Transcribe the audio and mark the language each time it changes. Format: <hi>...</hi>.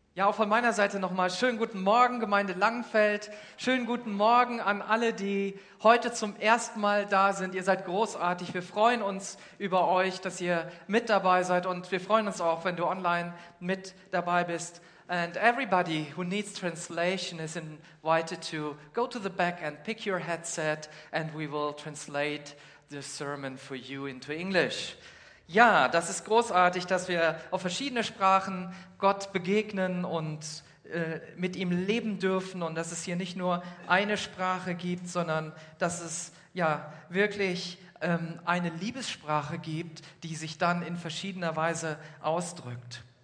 <de>Ja, auch von meiner Seite nochmal schönen guten Morgen, Gemeinde Langenfeld. Schönen guten Morgen an alle, die heute zum ersten Mal da sind. Ihr seid großartig. Wir freuen uns über euch, dass ihr mit dabei seid. Und wir freuen uns auch, wenn du online mit dabei bist.</de> <en>And everybody who needs translation is invited to go to the back and pick your headset and we will translate the sermon for you into English.</en> <de>Ja, das ist großartig, dass wir auf verschiedene Sprachen Gott begegnen und mit ihm leben dürfen und dass es hier nicht nur eine Sprache gibt, sondern dass es ja wirklich eine Liebessprache gibt, die sich dann in verschiedener Weise ausdrückt.</de>